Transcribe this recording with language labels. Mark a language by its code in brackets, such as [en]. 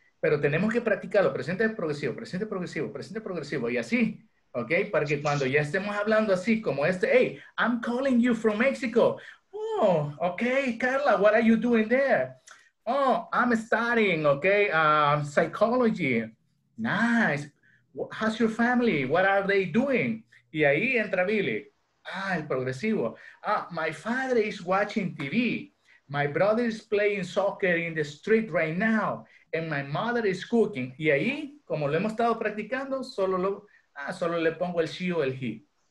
[es] Pero tenemos que practicarlo, presente progresivo, y así, ¿ok? Para que cuando ya estemos hablando así, como este, [en] hey, I'm calling you from Mexico. Oh, okay, Carla, what are you doing there? Oh, I'm studying, okay, psychology. Nice. How's your family? What are they doing? [es] Y ahí entra Billy. Ah, el progresivo. [en] Ah, my father is watching TV. My brother is playing soccer in the street right now. And my mother is cooking. [es] Y ahí, como lo hemos estado practicando, solo le pongo el she o el he.